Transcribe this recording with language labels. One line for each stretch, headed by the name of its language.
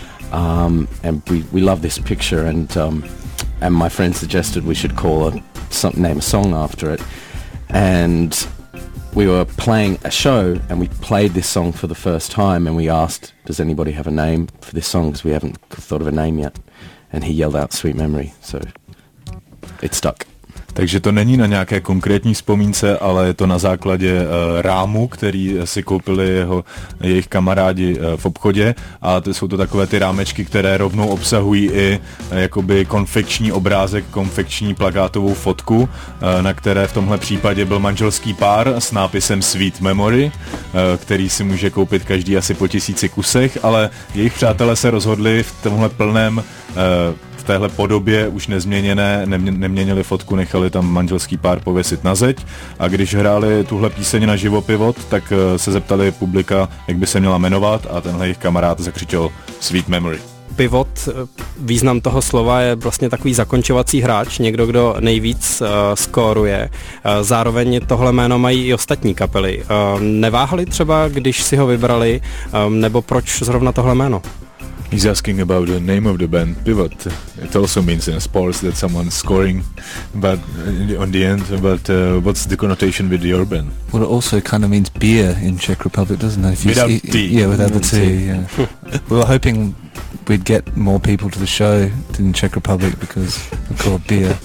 English: And we love this picture, and my friend suggested we should name a song after it. And we were playing a show and we played this song for the first time, and we asked, does anybody have a name for this song, because we haven't thought of a name yet. And he yelled out Sweet Memory, so it stuck.
Czech: Takže to není na nějaké konkrétní vzpomínce, ale je to na základě rámu, který si koupili jejich kamarádi v obchodě, a to jsou to takové ty rámečky, které rovnou obsahují i jakoby konfekční obrázek, konfekční plakátovou fotku, na které v tomhle případě byl manželský pár s nápisem Sweet Memory, který si může koupit každý asi po 1000 kusech, ale jejich přátelé se rozhodli v tomhle plném v téhle podobě už nezměněné, neměnili fotku, nechali tam manželský pár pověsit na zeď. A když hráli tuhle píseň na živo Pivot, tak se zeptali publika, jak by se měla jmenovat, a tenhle jejich kamarád zakřičel Sweet Memory. Pivot, význam toho slova je vlastně takový zakončovací hráč, někdo, kdo nejvíc skóruje. Zároveň tohle jméno mají i ostatní kapely. Neváhali třeba, když si ho vybrali, nebo proč zrovna tohle jméno?
English: He's asking about the name of the band, Pivot. It also means in sports that someone's scoring, but on the end. But what's the connotation with your band? Well, it also kind of means beer in Czech Republic, doesn't it? If you without tea. Yeah, without the tea. Yeah. We were hoping we'd get more people to the show in Czech Republic because we're called beer.